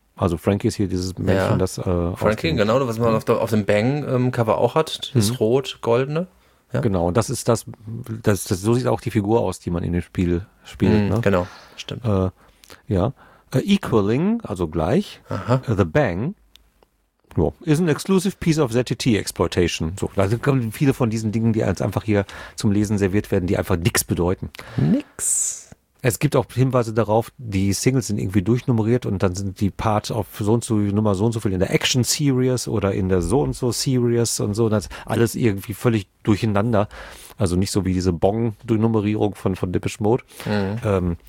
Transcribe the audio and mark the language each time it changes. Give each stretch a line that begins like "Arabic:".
German: Also Frankie ist hier dieses Männchen, das... Frankie, genau, was man auf dem Bang-Cover auch hat, das rot-goldene. Ja. Genau, und das ist das, so sieht auch die Figur aus, die man in dem Spiel spielt. Mm, ne? Genau, stimmt. Equaling, also gleich, aha.
English: The Bang, is an exclusive piece of ZTT exploitation.
German: So, da kommen viele von diesen Dingen, die jetzt einfach hier zum Lesen serviert werden, die einfach nix bedeuten. Nix. Es gibt auch Hinweise darauf, die Singles sind irgendwie durchnummeriert und dann sind die Parts auf so und so Nummer so und so viel in der Action Series oder in der so und so Series und so. Das ist alles irgendwie völlig durcheinander. Also nicht so wie diese Bong-Durchnummerierung von Depeche Mode. Mhm.